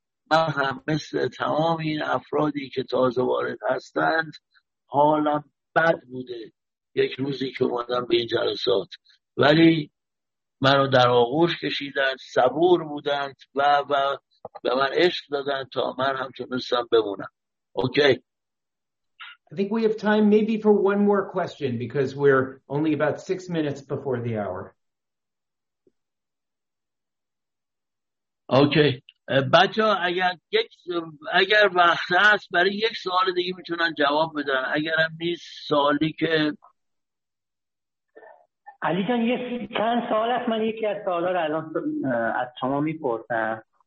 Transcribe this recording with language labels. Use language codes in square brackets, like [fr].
[fa] من هم مثل تمام این افرادی که تازه وارد هستند حالم بد بوده یک روزی که اومدم به این جلسات، ولی منو در آغوش کشیدند، صبور بودند و به من عشق دادن تا من هم تونستم بمونم. اوکی. [en] I think we have time maybe for one more question because we're only about 6 minutes before the hour. Okay. [fa] بچه ها اگر وقت هست برای یک سوال دیگه میتونن جواب بدن، اگر هم نیست سوالی که علی جان یه چند سوال هست، من یکی از سوال ها رو الان از شما میپرسم.